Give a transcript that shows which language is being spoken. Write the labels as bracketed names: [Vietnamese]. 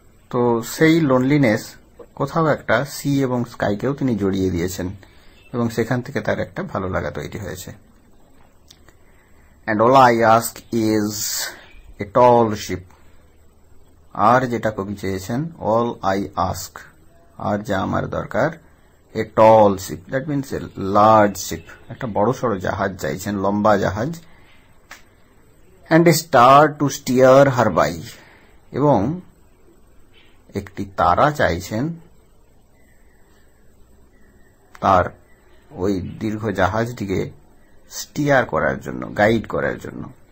[Bangla] তো সেই লোনলিনেস কোথাও একটা সি এবং স্কাইকেও তিনি জড়িয়ে দিয়েছেন, এবং সেখান থেকে তার একটা ভালো লাগা তৈরি হয়েছে। [English] And all I ask is a tall ship. [Bangla] আর যেটা কবি চেয়েছেন, [English] all I ask, [Bangla] আর যা আমার দরকার, [English] a tall ship, that means a large ship, [Bangla] একটা বড় সড় জাহাজ চাইছেন, লম্বা জাহাজ। [English] And a star to steer her by, [Bangla] এবং একটি তারা চাইছেন তার ওই দীর্ঘ জাহাজটিকে স্টিয়ার করার জন্য, গাইড করার জন্য।